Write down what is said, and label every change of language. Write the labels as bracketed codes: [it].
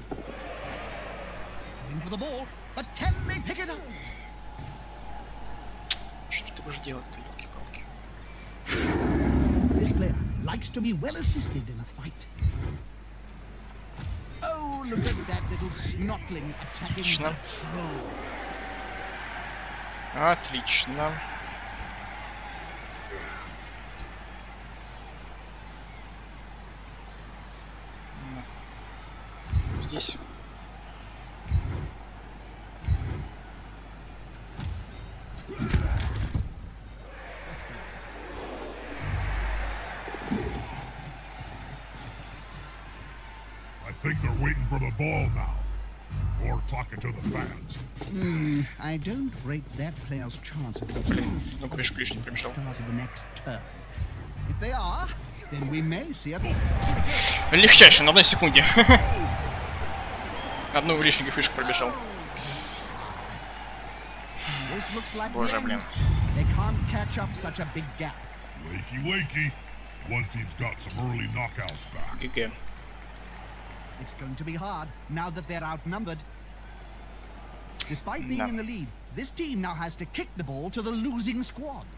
[en] Going for the ball, but can they pick it up? [ru] Что ты будешь делать-то, ёлки-палки? [en] This player likes to be well assisted in a fight. Oh, look at that little snotling attacking the troll. [ru] Отлично. [en] I think they're waiting for the ball now, or talking to the fans. I don't rate that player's chances of success. At the start of the next turn. If they are, then we may see a. [ru] Легчайше на одной секунде. Одну лишнюю фишку пробежал. Боже, блин. [en] They can't catch up such a big gap. Wakey, wakey. One team's got some early knockouts back. Okay. It's going to be hard now that they're outnumbered. Despite being in the lead, this team now has to kick the ball to the losing squad.